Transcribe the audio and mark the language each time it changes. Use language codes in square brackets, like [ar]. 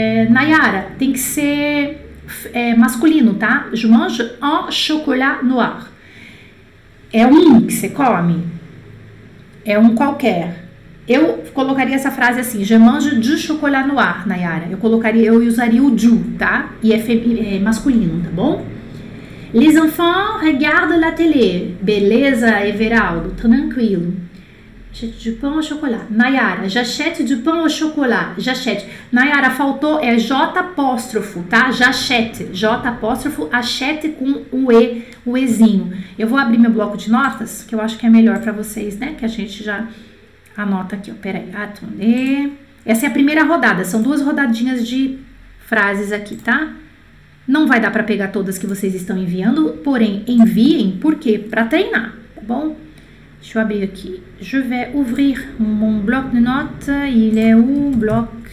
[pt] Nayara, tem que ser masculino, tá? [fr] Je mange un chocolat noir. [pt] É um que você come? É um qualquer. Eu colocaria essa frase assim: [fr] Je mange du chocolat noir, [pt] Nayara. Eu usaria o du, tá? E é masculino, tá bom? [fr] Les enfants regardent la télé. [pt] Beleza, Everaldo? Tranquilo. [fr] J'achète du pain au chocolat. Nayara, j'achète du pain au chocolat. J'achète. [pt] Nayara, faltou é J apóstrofo, tá? J'achète. J apóstrofo, achète com o E, o Ezinho. Eu vou abrir meu bloco de notas, que eu acho que é melhor para vocês, né? Que a gente já anota aqui, ó. Peraí. Attendez. Essa é a primeira rodada. São duas rodadinhas de frases aqui, tá? Não vai dar para pegar todas que vocês estão enviando, porém, enviem, por quê? Para treinar, tá bom? Deixa eu abrir aqui. [fr] Je vais ouvrir mon bloc de notes. Il est où, bloc?